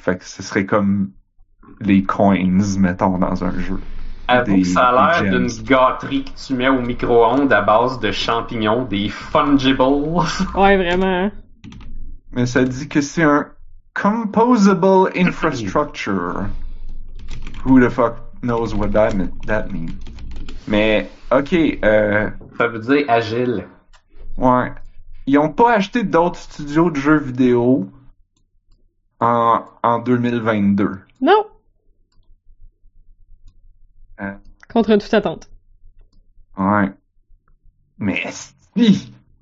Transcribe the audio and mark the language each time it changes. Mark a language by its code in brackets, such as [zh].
[fr] Fait que ce serait comme les coins, mettons, dans un jeu. Avoue que ça a l'air d'une gâterie que tu mets au micro-ondes à base de champignons, des fungibles. Ouais, vraiment. Mais ça dit que c'est un composable infrastructure. [en] Who the fuck knows what that means. [fr] Mais, OK. Ça veut dire agile. Ouais. ils ont pas acheté d'autres studios de jeux vidéo en 2022. Non. Contre toute attente. Ouais. Mais si.